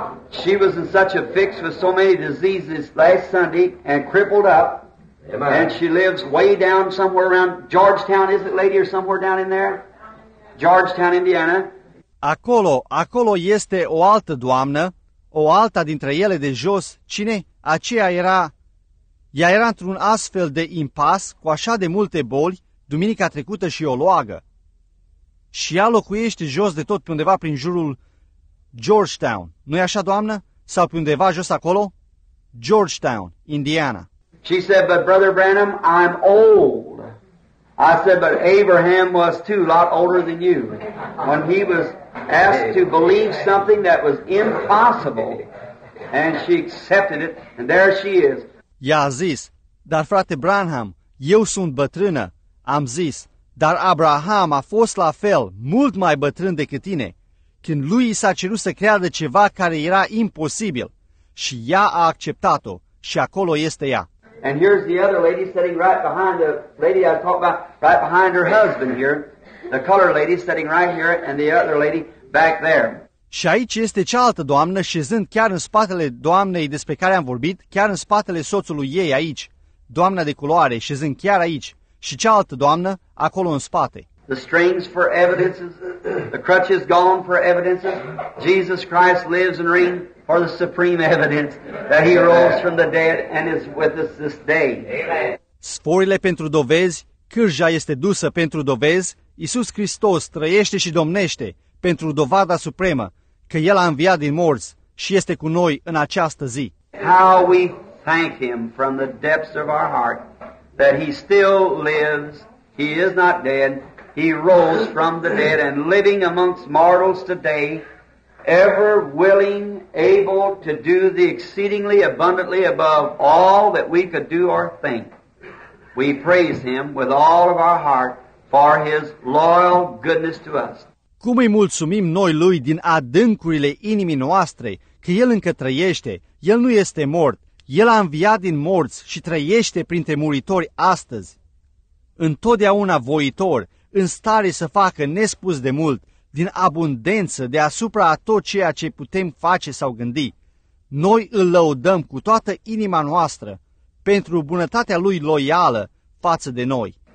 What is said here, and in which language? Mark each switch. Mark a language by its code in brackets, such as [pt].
[en] She was in such a fix with so many diseases last Sunday and crippled up. Amen. And she lives way down somewhere around Georgetown, is it, lady, or somewhere down in there? Georgetown, Indiana. [ro] Acolo este o altă doamnă, o alta dintre ele de jos. Cine? Aceea era... Ea era într-un astfel de impas, cu așa de multe boli, duminica trecută și o luagă. Și ea locuiește jos de tot, pe undeva prin jurul Georgetown. Nu-i așa, doamnă? Sau pe undeva jos acolo? Georgetown, Indiana. [en] She said, but Brother Branham, I'm old. I said, but Abraham was too, a lot older than you. When he was asked to believe something that was impossible, and she accepted it, and there she is. [ro] Ea a zis, dar frate Branham, eu sunt bătrână. Am zis, dar Abraham a fost la fel, mult mai bătrân decât tine, când lui i s-a cerut să creadă ceva care era imposibil. Și ea a acceptat-o, și acolo este ea. [en] And here's the other lady sitting right behind the lady I talked about, right behind her husband here. The colored lady sitting right here and the other lady back there. [ro] Și aici este cealaltă doamnă șezând chiar în spatele doamnei despre care am vorbit, chiar în spatele soțului ei aici. Doamna de culoare șezând chiar aici și cealaltă doamnă acolo în spate. [en] The strings for evidences, the crutch is gone for evidences. Jesus Christ lives and reigns for the supreme evidence that he rose from the dead and is with us this day. [ro] Sforile pentru dovezi, cârja este dusă pentru dovezi, Iisus Hristos trăiește și domnește pentru dovada supremă că El a înviat din morți și este cu noi în această zi. [en] How we thank Him from the depths of our heart that He still lives, He is not dead, He rose from the dead and living amongst mortals today, ever willing, able to do the exceedingly abundantly above all that we could do or think. We praise Him with all of our heart for His loyal goodness to us. [ro] Cum îi mulțumim noi Lui din adâncurile inimii noastre că El încă trăiește, El nu este mort, El a înviat din morți și trăiește printre muritori astăzi. Întotdeauna voitor, în stare să facă nespus de mult, din abundență deasupra a tot ceea ce putem face sau gândi, noi Îl lăudăm cu toată inima noastră pentru bunătatea Lui loială față de noi.